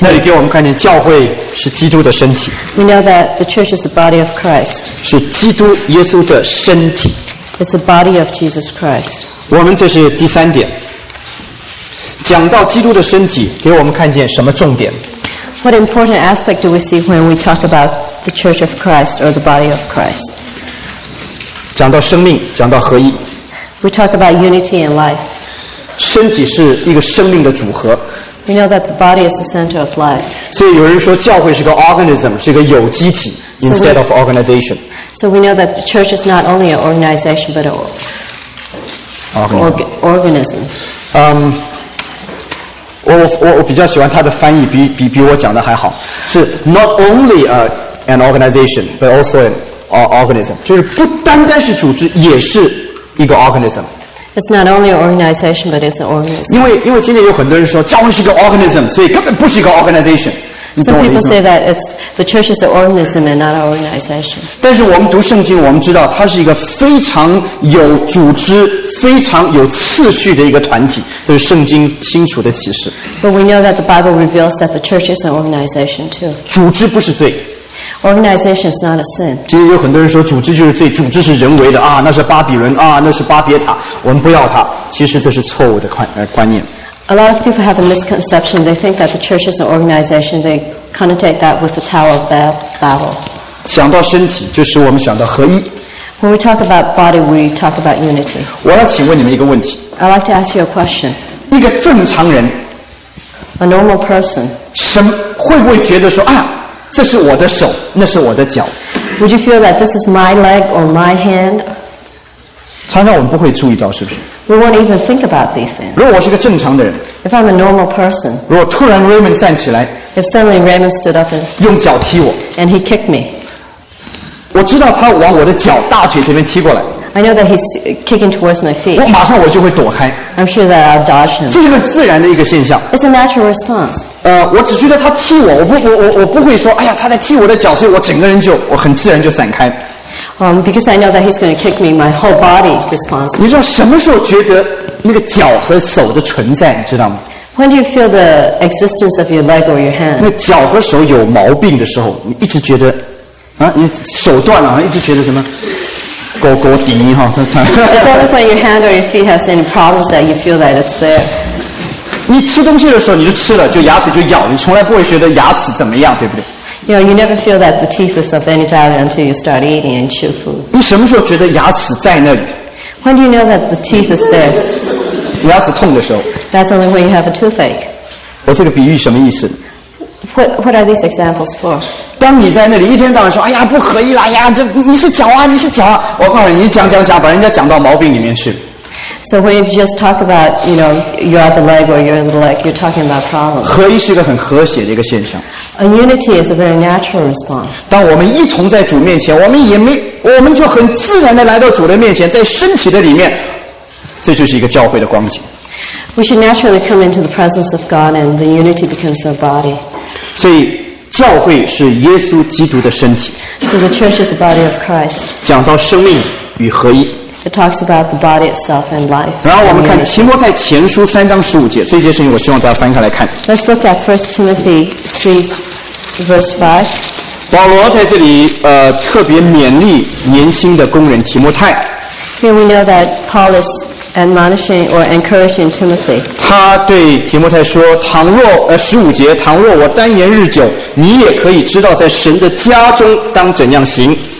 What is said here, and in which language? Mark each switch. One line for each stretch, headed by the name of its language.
Chinese: 那里给我们看见教会是基督的身体。
English: We know that the church is the body of Christ.
Chinese: 是基督耶稣的身体。
English: It's the body of Jesus Christ.
Chinese: 我们这是第三点。讲到基督的身体，给我们看见什么重点
English: ？What important aspect do we see when we talk about the church of Christ or the body of Christ?
Chinese: 讲到生命，讲到合一。
English: We talk about unity in life.
Chinese: 身体是一个生命的组合。
English: We know that the body is the center of life.
Chinese: 所以有人说教会是个 organism, 是个有机体
English: instead of organization. So we know that the church is not only an organization but an organism.
Chinese: 我比较喜欢他的翻译比我讲的还好，是
English: not only an organization but also an organism,
Chinese: 就是不单单是组织，也是。一个 organism.
English: It's not only an organization, but it's an organism.
Chinese: 因为今天有很多人说教会是个 organism, 所以根本不是一个 organization.
English: Some people say that it's the church is an organism and not an organization.
Chinese: 但是我们读圣经，我们知道它是一个非常有组织、非常有次序的一个团体，这是圣经清楚的启示。
English: But we know that the Bible reveals that the church is an organization too.
Chinese: 组织不是罪。
English: Organization is not a sin.
Chinese: 其实有很多人说组织就是罪，组织是人为的啊，那是巴比伦啊，那是巴别塔，我们不要它。其实这是错误的观念。
English: A lot of people have a misconception. They think that the church is an organization. They connotate that with the Tower of Babel.
Chinese: 想到身体，就使我们想到合一。
English: When we talk about body, we talk about unity.
Chinese: 我要请问你们一个问题。
English: I'd like to ask you a question.
Chinese: 一个正常人
English: ，A normal person，
Chinese: 什么会不会觉得说啊？这是我的手，那是我的脚。
English: Would you feel that this is my leg or my hand?
Chinese: 常常我们不会注意到，是不是
English: ？We won't even think about these things.
Chinese: 如果我是个正常的人
English: ，If I'm a normal person.
Chinese: 如果突然 Raymond 站起来
English: ，If suddenly Raymond stood up and
Chinese: 用脚踢我
English: ，and he kicked me.
Chinese: 我知道他往我的脚大腿这边踢过来。
English: I know that he's kicking towards my feet.
Chinese: 我马上我就会躲开。
English: I'm sure that I'll dodge him.
Chinese: 这是个自然的一个现象。
English: It's a natural response.
Chinese: 我只觉得他踢我，我不会说，哎呀，他在踢我的脚，所以我整个人就我很自然就闪开。
English: Because I know that he's going to kick me, my whole body responds.
Chinese: 你知道什么时候觉得那个脚和手的存在，你知道吗？
English: When do you feel the existence of your leg or your hand?
Chinese: 那脚和手有毛病的时候，你一直觉得，啊，你手断了，一直觉得什么，勾勾滴哈。
English: It's only when your hand or your feet has any problems that you feel that it's there.
Chinese: 你吃东西的时候你就吃了，就牙齿就咬，你从来不会觉得牙齿怎么样，对不对？
English: You know, you never feel that the teeth is of any value until you start eating and chew food.
Chinese: 你什么时候觉得牙齿在那里？
English: When do you know that the teeth is there?
Chinese: 牙齿痛的时候。
English: That's only when you have a toothache.
Chinese: 我这个比喻什么意思？
English: What are these examples for?
Chinese: 当你在那里一天到晚说，哎呀，不可以啦，呀，这你是脚啊，你是脚啊，我告诉你，你讲，把人家讲到毛病里面去。
English: So when you just talk about, you know, you're at the leg or you're in the leg, you're talking about problems.
Chinese: 合一是一个很和谐的一个现象。
English: A unity is a very natural response.
Chinese: 当我们一同在主面前，我们就很自然地来到主的面前，在身体的里面，这就是一个教会的光景。
English: We should naturally come into the presence of God, and the unity becomes our body.
Chinese: 所以教会是耶稣基督的身体。
English: So the church is the body of Christ.
Chinese: 讲到生命与合一。
English: It talks about the body itself and life.
Chinese: 然后我们看提摩太前书三章十五节，这节圣经我希望大家翻开来看。
English: Let's look at 1 Timothy 3, verse 5.
Chinese: 保罗在这里特别勉励年轻的工人提摩太。
English: Here we know that Paul is admonishing or encouraging Timothy.
Chinese: 他对提摩太说，倘若十五节，倘若我单言日久，你也可以知道在神的家中当怎样行。